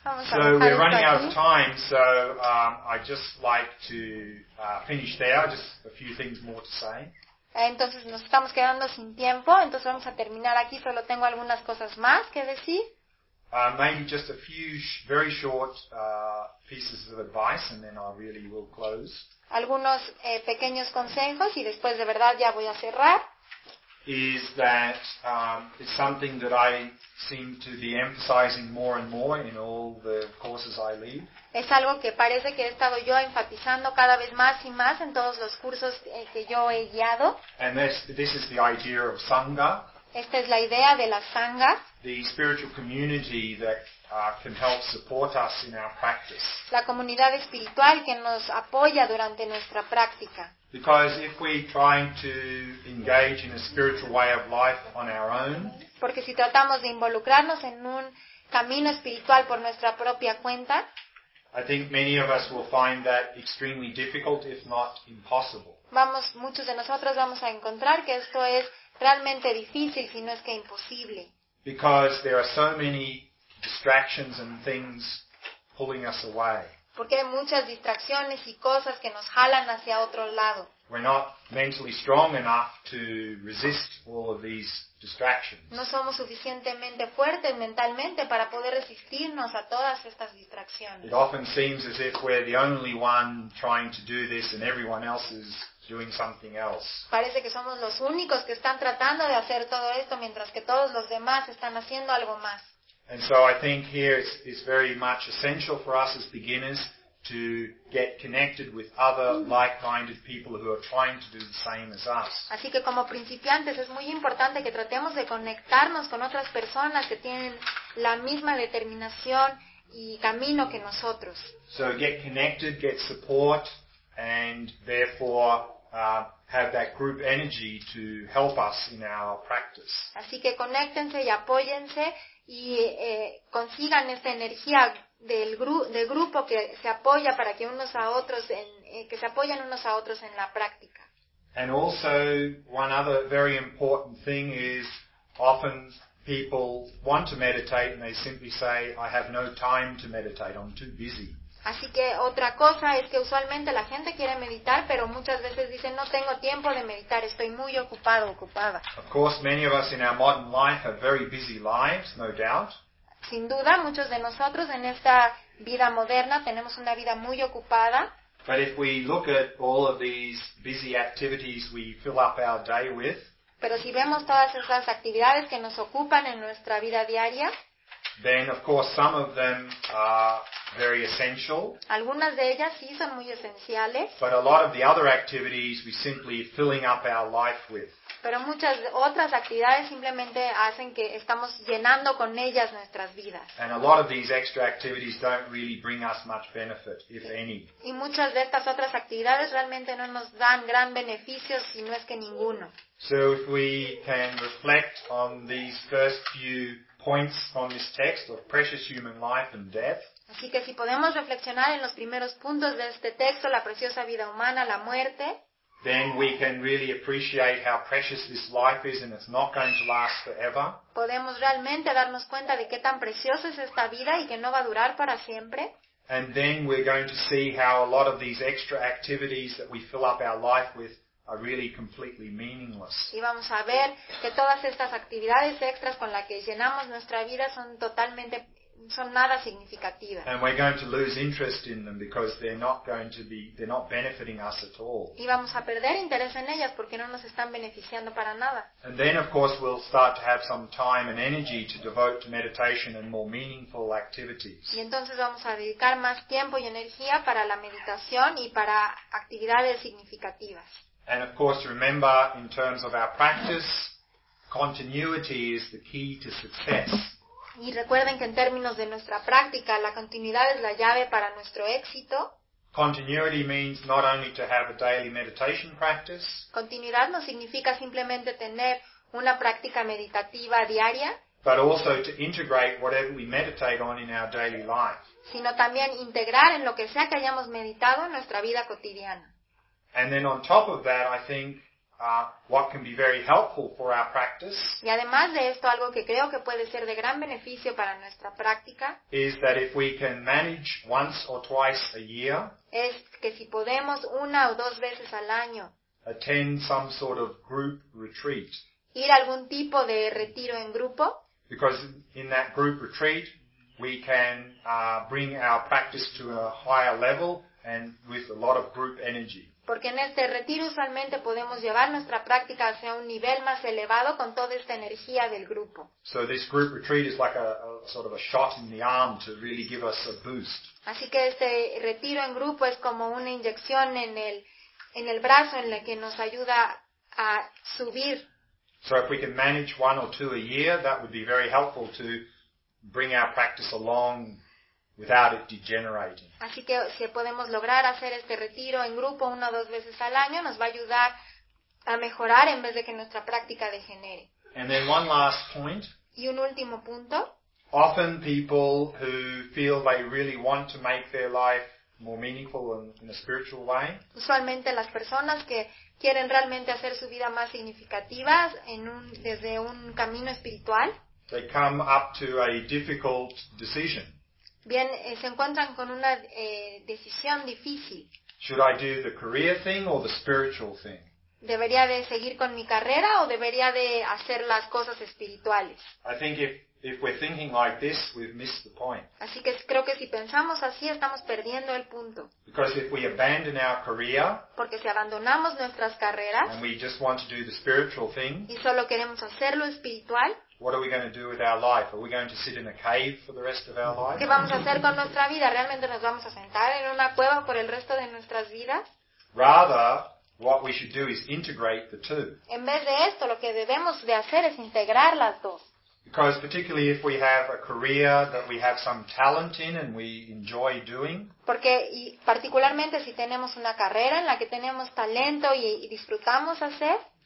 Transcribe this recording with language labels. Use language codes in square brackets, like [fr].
[en] So we're running out of time, so I just like to finish there. Just a few things more to say. [es] Entonces nos estamos quedando sin tiempo, entonces vamos a terminar aquí. Solo tengo algunas cosas más que decir. [en] Maybe just a few very short pieces of advice, and then I really will close. [es] Algunos pequeños consejos y después de verdad ya voy a cerrar. [en] Is that it's something that I seem to be emphasizing more and more in all the courses I lead. [es] Es algo que parece que he estado yo enfatizando cada vez más y más en todos los cursos que yo he guiado. [en] And this is the idea of sangha. [es] Esta es la idea de la sangha. [en] The spiritual community that can help support us in our practice. [es] La comunidad espiritual que nos apoya durante nuestra práctica. [en] Because if we're trying to engage in a spiritual way of life on our own, [es] porque si tratamos de involucrarnos en un camino espiritual por nuestra propia cuenta, [en] I think many of us will find that extremely difficult, if not impossible. [es] Vamos, muchos de nosotros vamos a encontrar que esto es realmente difícil, si no es que imposible. [en] Because there are so many distractions and things pulling us away. [es] Porque hay muchas distracciones y cosas que nos jalan hacia otro lado. [en] We're not mentally strong enough to resist all of these distractions. [es] No somos suficientemente fuertes mentalmente para poder resistirnos a todas estas distracciones. [en] It often seems as if we're the only one trying to do this and everyone else is doing something else. [es] Parece que somos los únicos que están tratando de hacer todo esto mientras que todos los demás están haciendo algo más. [en] And so I think here it's very much essential for us as beginners to get connected with other like-minded people who are trying to do the same as us. [es] Así que como principiantes es muy importante que tratemos de conectarnos con otras personas que tienen la misma determinación y camino que nosotros. [en] So get connected, get support, and therefore have that group energy to help us in our practice. [es] Así que conéctense y apóyense y consigan esta energía del grupo que se apoya para que unos a otros que se apoyan unos a otros en la práctica. [en] And also one other very important thing is often people want to meditate and they simply say I have no time to meditate, I'm too busy. [es] Así que otra cosa es que usualmente la gente quiere meditar, pero muchas veces dicen, no tengo tiempo de meditar, estoy muy ocupado, ocupada. [en] Of course, many of us in our modern life have very busy lives, no doubt. [es] Sin duda, muchos de nosotros en esta vida moderna tenemos una vida muy ocupada. [en] But if we look at all of these busy activities we fill up our day with, [es] pero si vemos todas esas actividades que nos ocupan en nuestra vida diaria, [en] then of course some of them are very essential. [es] Algunas de ellas sí son muy esenciales. [en] But a lot of the other activities we simply filling up our life with. [es] Pero muchas otras actividades simplemente hacen que estamos llenando con ellas nuestras vidas. [en] And a lot of these extra activities don't really bring us much benefit, if any. [es] Y muchas de estas otras actividades realmente no nos dan gran beneficio, si no es que ninguno. [en] So if we can reflect on these first few points from this text of precious human life and death. [es] Así que si podemos reflexionar en los primeros puntos de este texto, la preciosa vida humana, la muerte, [en] then we can really appreciate how precious this life is and it's not going to last forever. [es] Podemos realmente darnos cuenta de qué tan preciosa es esta vida y que no va a durar para siempre. [en] And then we're going to see how a lot of these extra activities that we fill up our life with are really completely meaningless. [es] Y vamos a ver que todas estas actividades extras con las que llenamos nuestra vida son nada significativas. [en] And we're going to lose interest in them because they're not benefiting us at all. [es] Y vamos a perder interés en ellas porque no nos están beneficiando para nada. [en] And then of course we'll start to have some time and energy to devote to meditation and more meaningful activities. [es] Y entonces vamos a dedicar más tiempo y energía para la meditación y para actividades significativas. [en] And of course, remember, in terms of our practice, continuity is the key to success. [es] Y recuerden que en términos de nuestra práctica, la continuidad es la llave para nuestro éxito. [en] Continuity means not only to have a daily meditation practice. [es] Continuidad no significa simplemente tener una práctica meditativa diaria. [en] But also to integrate whatever we meditate on in our daily life. [es] Sino también integrar en lo que sea que hayamos meditado en nuestra vida cotidiana. [en] And then on top of that, I think what can be very helpful for our practice. [es] Y además de esto, algo que creo que puede ser de gran beneficio para nuestra práctica [en] is that if we can manage once or twice a year, [es] es que si podemos una o dos veces al año [en] attend some sort of group retreat. [es] Ir a algún tipo de retiro en grupo. [en] Because in that group retreat, we can bring our practice to a higher level and with a lot of group energy. [es] Porque en este retiro usualmente podemos llevar nuestra práctica hacia un nivel más elevado con toda esta energía del grupo. [en] So this group retreat is like a sort of a shot in the arm to really give us a boost. [es] Así que este retiro en grupo es como una inyección en el brazo en la que nos ayuda a subir. [en] So if we can manage one or two a year, that would be very helpful to bring our practice along without it degenerating. [es] Así que si podemos lograr hacer este retiro en grupo una o dos veces al año, nos va a ayudar a mejorar en vez de que nuestra práctica degenere. [en] And then one last point. [es] Y un último punto. [en] Often people who feel they really want to make their life more meaningful in a spiritual way. [es] Usualmente las personas que quieren realmente hacer su vida más significativa en un, desde un camino espiritual. [en] They come up to a difficult decision. [es] Bien, se encuentran con una decisión difícil. [en] Should I do the career thing or the spiritual thing? [es] ¿Debería de seguir con mi carrera o debería de hacer las cosas espirituales? [en] I think if we're thinking like this, we've missed the point. [es] Así que creo que si pensamos así, estamos perdiendo el punto. [en] Because if we abandon our career, [es] porque si abandonamos nuestras carreras, [en] and we just want to do the spiritual thing, [es] y solo queremos hacer lo espiritual, [en] what are we going to do with our life? Are we going to sit in a cave for the rest of our life? [es] ¿Qué vamos a hacer con nuestra vida? ¿Realmente nos vamos a sentar en una cueva por el resto de nuestras vidas? [en] Rather, what we should do is integrate the two. [es] En vez de esto, lo que debemos de hacer es integrar las dos. [en] Because particularly if we have a career that we have some talent in and we enjoy doing. [es] Porque y particularmente si tenemos una carrera en la que tenemos talento y disfrutamos hacer.